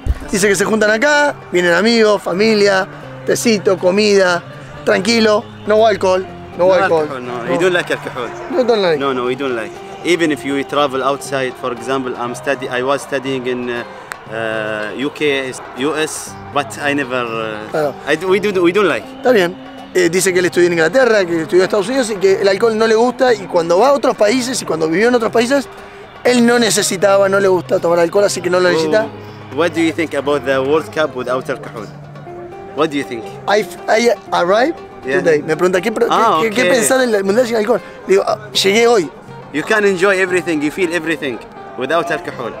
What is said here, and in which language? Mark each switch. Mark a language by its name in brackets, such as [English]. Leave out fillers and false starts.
[Spanish] Dice que se juntan acá, vienen amigos, familia, tecito, comida, tranquilo, no alcohol. [English] No, we don't like alcohol. No, don't like. No, we don't like. Even if you travel outside, for example, I was studying in UK, US, but I never... we don't like. [Spanish] Está bien. Dice que él estudió en Inglaterra, que estudió en Estados Unidos y que el alcohol no le gusta, y cuando va a otros países y cuando vivió en otros países, él no necesitaba, no le gusta tomar alcohol, así que no lo necesita. [English] What do you think about the World Cup without alcohol? What do you think? I arrived today. [Spanish] Yeah. Me pregunta qué pensás del mundial sin alcohol. Digo, llegué hoy. [English] You can enjoy everything, you feel everything without alcohol.